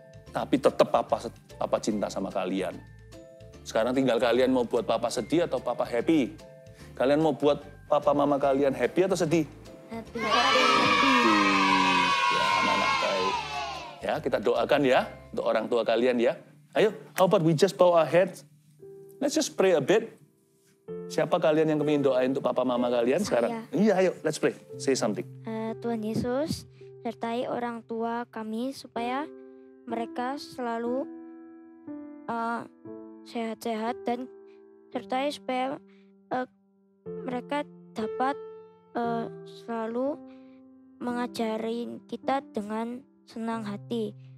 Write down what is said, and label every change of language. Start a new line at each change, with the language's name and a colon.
Indonesian: Tapi tetap papa cinta sama kalian. Sekarang tinggal kalian mau buat papa sedih atau papa happy. Kalian mau buat papa mama kalian happy atau sedih?
English: Happy.
Indonesian: Ya, anak-anak baik. Ya, kita doakan ya untuk orang tua kalian ya.
English: Ayo, how about we just bow our heads? Let's just pray a bit.
Indonesian: Siapa kalian yang ingin doain untuk papa mama kalian saya sekarang? Iya, ayo,
English: let's pray. Say something.
Indonesian: Tuhan Yesus, sertai orang tua kami supaya mereka selalu sehat-sehat dan sertai supaya mereka dapat selalu mengajari kita dengan senang hati.